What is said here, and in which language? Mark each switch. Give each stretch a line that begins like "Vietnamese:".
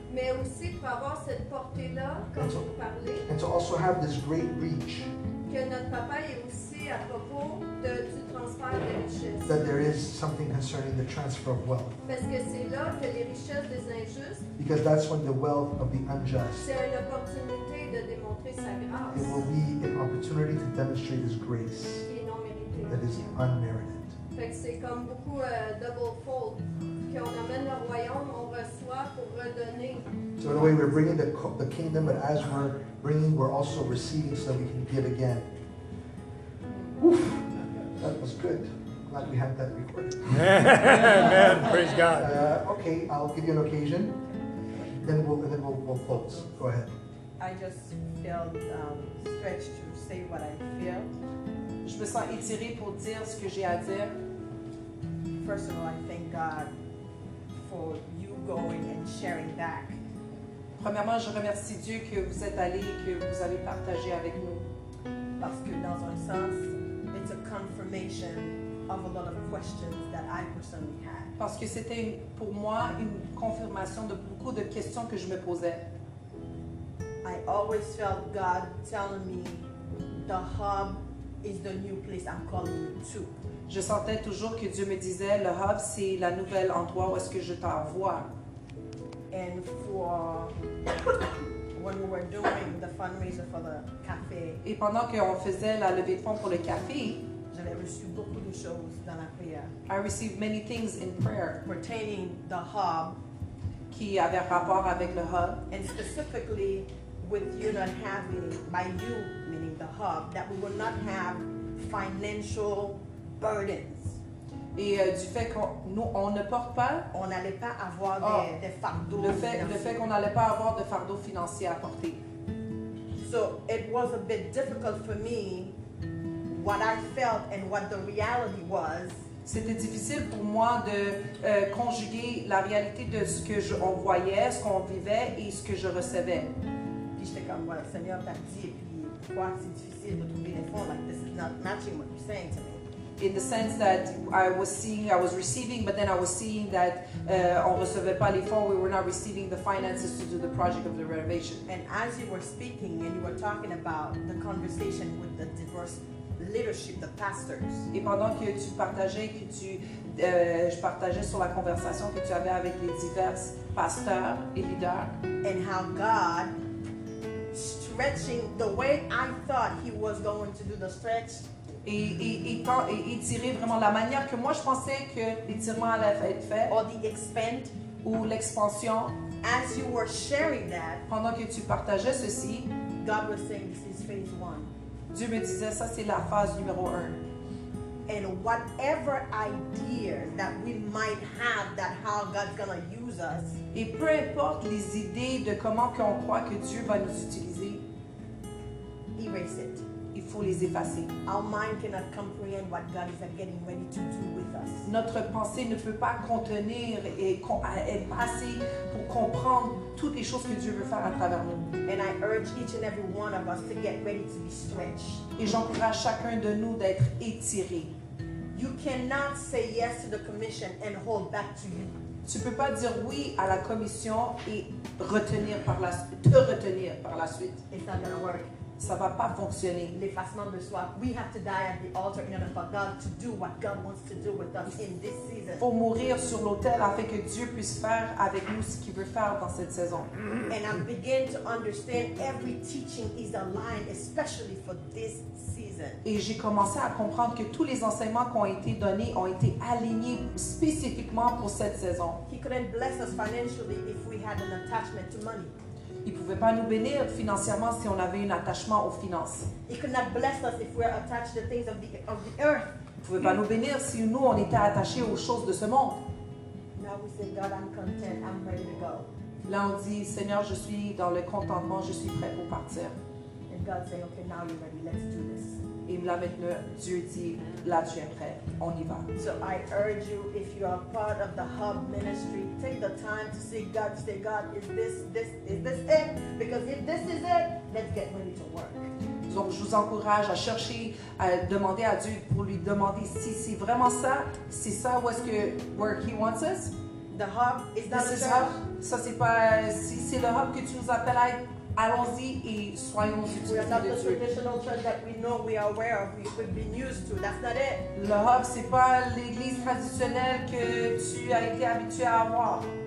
French: mais aussi pour avoir cette portée-là, comme vous parlez,
English: and to also have this great reach
French: que notre Papa est aussi à propos de, du transfert des richesses.
English: That there is something concerning the transfer of wealth.
French: Parce que c'est là que les richesses des injustes,
English: because that's when the wealth of the unjust,
French: c'est une opportunité de démontrer sa grâce.
English: It will be an opportunity to demonstrate his grace
French: et non mérité.
English: That is unmerited.
French: Fait que c'est comme beaucoup
English: double fold.
French: Qu'on amène le royaume, on reçoit pour redonner.
English: So in a way we're bringing the kingdom, but as we're bringing, we're also receiving so we can give again. Oof, that was good. Glad we had that recorded. Man, praise God. Okay, I'll give you an occasion. Then we'll close. Go ahead. I just felt stretched to say what I feel.
French: Je me sens étirée pour dire ce que j'ai à dire.
English: First of all, I thank God for you going and sharing back.
French: Premièrement, je remercie Dieu que vous êtes allé et que vous avez partagé avec nous. Parce que dans un sens,
English: it's a confirmation of a lot of questions that I personally had.
French: Parce que c'était pour moi une confirmation de beaucoup de questions que je me posais.
English: I always felt God telling me the hub is the new place I'm calling you to.
French: Je sentais toujours que Dieu me disait le hub c'est la nouvelle endroit où est-ce que je t'envoie.
English: And for when we were doing the fundraiser for the cafe,
French: et pendant que on faisait la levée de fonds pour le café, j'avais reçu beaucoup de choses dans la prière.
English: I received many things in prayer pertaining the hub,
French: qui avait rapport avec le hub,
English: and specifically with you not having, by you meaning the hub, that we would not have financial burdens.
French: Et du fait qu'on nous, on ne porte pas... On n'allait pas avoir des fardeaux financiers. Le fait qu'on n'allait pas avoir de fardeaux financiers à porter.
English: So, it was a bit difficult for me, what I felt and what the reality was.
French: C'était difficile pour moi de conjuguer la réalité de ce que on voyait, ce qu'on vivait et ce que je recevais. Puis j'étais comme, voilà, well, Seigneur, t'as dit, et puis pourquoi c'est difficile de trouver les fonds?
English: Like, this is not matching what you're saying to me. In the sense that I was seeing, I was receiving, but then I was seeing that
French: on recevait pas les fonds,
English: we were not receiving the finances to do the project of the renovation. And as you were speaking and you were talking about the conversation with the diverse leadership, the pastors.
French: Et pendant que tu partageais, que tu, je partageais sur la conversation que tu avais avec les divers pasteurs et leaders.
English: And how God stretching the way I thought He was going to do the stretch.
French: Et tirer vraiment la manière que moi je pensais que l'étirement allait être fait.
English: Or the expand.
French: Ou l'expansion.
English: As you were sharing that,
French: pendant que tu partageais ceci,
English: God was saying this is phase one.
French: Dieu me disait ça c'est la phase numéro un.
English: And whatever ideas that we might have that how God's gonna use us.
French: Et peu importe les idées de comment qu'on croit que Dieu va nous utiliser.
English: Erase it.
French: Il faut les effacer.
English: Our mind cannot comprehend what God is getting ready to do with us.
French: Notre pensée ne peut pas contenir et passer pour comprendre toutes les choses que Dieu veut faire à travers nous.
English: And I urge each and every one of us to get ready to be stretched.
French: Et j'encourage chacun de nous d'être étiré.
English: You cannot say yes to the commission and hold back to you.
French: Tu peux pas dire oui à la commission et te retenir par la suite.
English: It's not gonna work.
French: Ça va pas fonctionner. L'effacement de soi.
English: We have to die at the altar in order for God to do what God wants to do with us in this season.
French: Faut mourir sur l'autel afin que Dieu puisse faire avec nous ce qu'il veut faire dans cette saison.
English: And I begin to understand every teaching is aligned, especially for this season.
French: Et j'ai commencé à comprendre que tous les enseignements qui ont été donnés ont été alignés spécifiquement pour cette saison.
English: He couldn't bless us financially if we had an attachment to money.
French: Il ne pouvait pas nous bénir financièrement si on avait un attachement aux finances.
English: He could not bless us if we were attached to the things of the earth.
French: Il ne pouvait pas nous bénir si nous on était attachés aux choses de ce monde.
English: Now we say, God, I'm content. I'm ready to go.
French: Là on dit, Seigneur, je suis dans le contentement, je suis prêt pour partir.
English: And God say, okay, now you're ready. Let's do this.
French: Et là maintenant, Dieu dit, là tu es prêt, on y va.
English: So I urge you, if you are part of the Hub Ministry, take the time to seek God, say, God, is this it? Because if this is it, let's get ready to work.
French: Donc je vous encourage à chercher, à demander à Dieu pour lui demander si c'est vraiment ça, c'est ça où est-ce que
English: where He wants us. The Hub is not the church.
French: Ça c'est pas, si c'est le Hub que tu nous appelles à être. Allons-y et soyons utilisés.
English: We are not the traditional church that we know, we are aware of, we've been used to. That's not it.
French: Le Hub, c'est pas l'église traditionnelle que tu as été habitué à avoir.